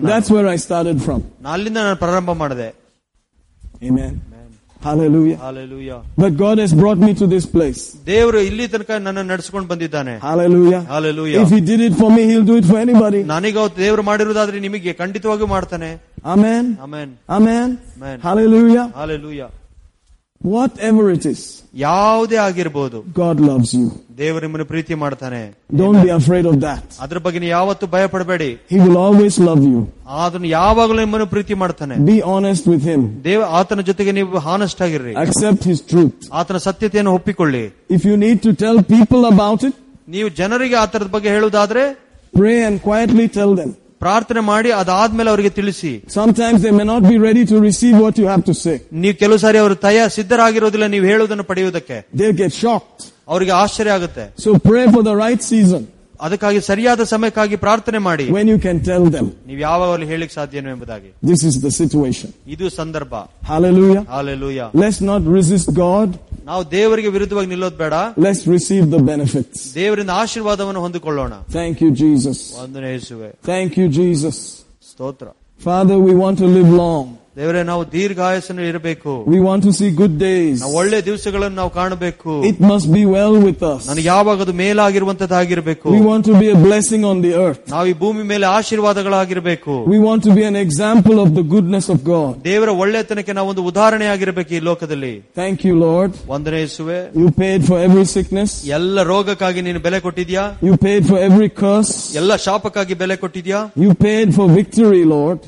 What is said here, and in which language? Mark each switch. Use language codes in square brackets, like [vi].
[en] That's where I started from. [kn] ಅಲ್ಲಿಂದ ನಾನು ಪ್ರಾರಂಭ ಮಾಡಿದೆ. [en] Amen. Hallelujah. Hallelujah. But God has brought me to this place. [kn] ದೇವರು ಇಲ್ಲಿ ತನಕ ನನ್ನ ನಡೆಸಿಕೊಂಡು ಬಂದಿದ್ದಾನೆ. [en] Hallelujah. Hallelujah. If he did it for me, he'll do it for anybody. [kn] ನನಗೆ ದೇವರು ಮಾಡಿರುವುದಾದ್ರೆ ನಿಮಗೆ ಖಂಡಿತವಾಗಿಯೂ ಮಾಡ್ತಾನೆ. [en] Amen. Amen. Amen. Amen. Hallelujah. Hallelujah. Whatever it is. [kn] ಯಾವುದೇ ಆಗಿರಬಹುದು. [en] God loves you. [kn] ದೇವರು ನಿಮ್ಮನ್ನು ಪ್ರೀತಿ ಮಾಡ್ತಾನೆ. [en] Don't be afraid of that. [kn] ಅದರ ಬಗ್ಗೆ ನೀವು ಯಾವತ್ತೂ ಭಯ ಪಡಬೇಡಿ. [en] He will always love you. [kn] ಆತನು ಯಾವಾಗಲೂ ನಿಮ್ಮನ್ನು ಪ್ರೀತಿ ಮಾಡ್ತಾನೆ. [en] Be honest with him. [kn] ಆತನ ಜೊತೆಗೆ ನೀವು ಹಾನೆಸ್ಟ್ ಆಗಿರ್ರಿ. [en] Accept his truth. [kn] ಆತನ ಸತ್ಯತೆಯನ್ನು ಒಪ್ಪಿಕೊಳ್ಳಿ. [en] If you need to tell people about it, [kn] ನೀವು ಜನರಿಗೆ ಆ ತರದ ಬಗ್ಗೆ ಹೇಳುವುದಾದ್ರೆ, [en] pray and quietly tell them. [kn] ಪ್ರಾರ್ಥನೆ ಮಾಡಿ ಅದಾದ್ಮೇಲೆ ಅವರಿಗೆ ತಿಳಿಸಿ. [en] Sometimes they may not be ready to receive what you have to say. [kn] ನೀವು ಕೆಲವು ಸಾರಿ ಅವರು ಸಿದ್ಧರಾಗಿರೋದಿಲ್ಲ ನೀವು ಹೇಳುವುದನ್ನು ಪಡೆಯುವುದಕ್ಕೆ. [en] They get shocked. [kn] ಅವರಿಗೆ ಆಶ್ಚರ್ಯ ಆಗುತ್ತೆ. [en] So pray for the right season. [kn] ಅದಕ್ಕಾಗಿ ಸರಿಯಾದ ಸಮಯಕ್ಕಾಗಿ ಪ್ರಾರ್ಥನೆ ಮಾಡಿ. [en] When you can tell them. [kn] ನೀವು ಯಾವಾಗಲೂ ಹೇಳಿಕ್ ಸಾಧ್ಯನೋ ಎಂಬುದಾಗಿ. [en] This is the situation. [kn] ಇದು ಸಂದರ್ಭ. [en] Hallelujah. Hallelujah. Let's not resist God. [kn] ನಾವು ದೇವರಿಗೆ ವಿರುದ್ಧವಾಗಿ ನಿಲ್ಲೋದು ಬೇಡ. [en] Let's receive the benefits. [kn] ದೇವರಿಂದ ಆಶೀರ್ವಾದವನ್ನು ಹೊಂದಿಕೊಳ್ಳೋಣ. [en] Thank you Jesus. [kn] ವಂದನೆ ಯೇಸುವೇ. [en] Thank you Jesus. [kn] ಸ್ತೋತ್ರ. [en] Father, we want to live long. [kn] ದೇವರೇ, ನಾವು ದೀರ್ಘಾಯಸ್ಸನ್ನು ಇರಬೇಕು. [en] We want to see good days. [kn] ನಾವು ಒಳ್ಳೆ ದಿವಸಗಳನ್ನು ನಾವು ಕಾಣಬೇಕು. [en] It must be well with us. [kn] ನನಗೆ ಯಾವಾಗ ಅದು ಮೇಲಾಗಿರುವಂತದ್ದಾಗಿರಬೇಕು. [en] We want to be a blessing on the earth. [kn] ನಾವು ಈ ಭೂಮಿ ಮೇಲೆ ಆಶೀರ್ವಾದಗಳಾಗಿರಬೇಕು. [en] We want to be an example of the goodness of God. [kn] ದೇವರ ಒಳ್ಳೆತನಕ್ಕೆ ನಾವು ಒಂದು ಉದಾಹರಣೆಯಾಗಿರಬೇಕು ಈ ಲೋಕದಲ್ಲಿ. [en] Thank you Lord. [kn] ವಂದನೆ ಯೇಸುವೇ. [en] You paid for every sickness. [kn] ಎಲ್ಲ ರೋಗಕ್ಕಾಗಿ ನೀನು ಬೆಲೆ ಕೊಟ್ಟಿದ್ಯಾ. [en] You paid for every curse. [kn] ಎಲ್ಲ ಶಾಪಕ್ಕಾಗಿ ಬೆಲೆ ಕೊಟ್ಟಿದ್ಯಾ. [en] You paid for victory Lord.